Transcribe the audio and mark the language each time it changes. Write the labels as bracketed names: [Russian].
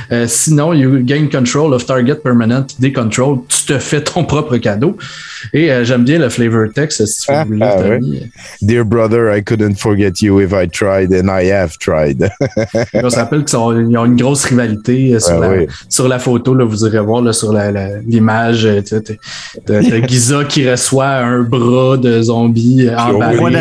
[English] Sinon, you gain control of target permanent they control. [French] Tu te fais ton propre cadeau. Et j'aime bien le flavor text. Si tu veux Oui. [English] Dear brother, I couldn't forget you if I tried and I have tried. [French] On s'appelle qu'ils ont une grosse rivalité sur la photo. Là, vous irez voir là, sur l'image de Giza qui reçoit un bras de zombie emballé.